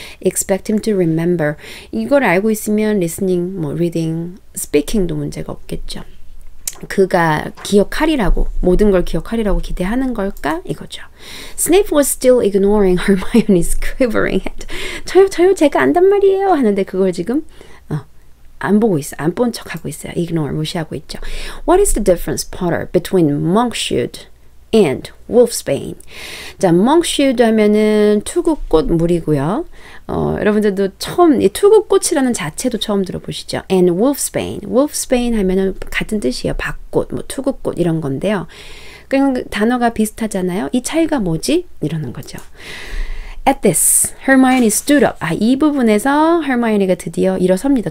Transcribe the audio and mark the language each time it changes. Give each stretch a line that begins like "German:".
English: Expect him to remember.
Korean: 이걸 알고 있으면
English: listening, 뭐 reading, speaking도
Korean: 문제가 없겠죠. 그가 기억하리라고 모든 걸 기억하리라고 기대하는 걸까? 이거죠.
English: Snape was still ignoring Hermione's quivering head.
Korean: 저요 저요 제가 안단 말이에요 하는데 그걸 지금 안 보고 있어. 안 본 척하고 있어요. Ignore 무시하고 있죠.
English: What is the difference, Potter, between monkshood and wolfsbane?
Korean: 자, monkshood 하면은 투구꽃 물이고요. 여러분들도 처음 이 투구꽃이라는 자체도 처음 들어보시죠.
English: And wolfsbane. Wolfsbane
Korean: 하면은 같은 뜻이에요. 밭꽃, 뭐 투구꽃 이런 건데요. 그냥 단어가 비슷하잖아요. 이 차이가 뭐지? 이러는 거죠.
English: At this, Hermione stood up.
Korean: 아, 이 부분에서 Hermione가 드디어 일어섭니다.